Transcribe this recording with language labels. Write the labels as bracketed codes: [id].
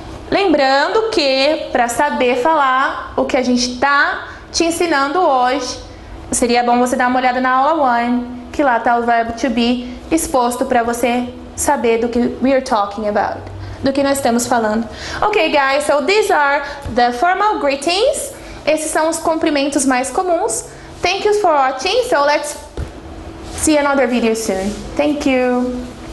[pt] Lembrando que, para saber falar o que a gente está te ensinando hoje, seria bom você dar uma olhada na aula 1, que lá está o verbo to be exposto para você saber do que [en] we are talking about, [pt] do que nós estamos falando. [en] Ok, guys, so these are the formal greetings. [pt] Esses são os cumprimentos mais comuns. [en] Thank you for watching, so let's see another video soon. Thank you.